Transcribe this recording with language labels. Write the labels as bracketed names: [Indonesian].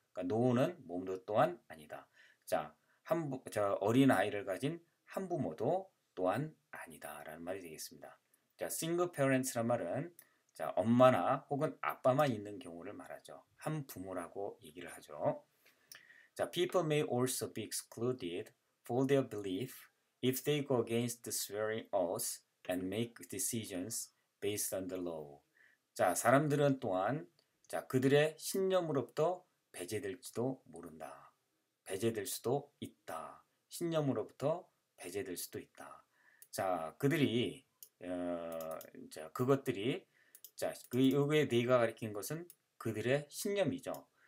[Korean] 그러니까 no는 몸도 또한 아니다. 자, 어린 아이를 가진 한부모도 또한 아니다라는 말이 되겠습니다. 자, [English] single parents [Korean] 란 말은 자, 엄마나 혹은 아빠만 있는 경우를 말하죠. 한 부모라고 얘기를 하죠. [English] 자, people may also be excluded for their belief if they go against the swearing oath and make decisions based on the law. [Korean] 자, 사람들은 또한 자, 그들의 신념으로부터 배제될지도 모른다. 배제될 수도 있다. 신념으로부터 배제될 수도 있다. 자, 그들이 자, 그것들이 자, 그 요게 네가 가리킨 것은 그들의 신념이죠.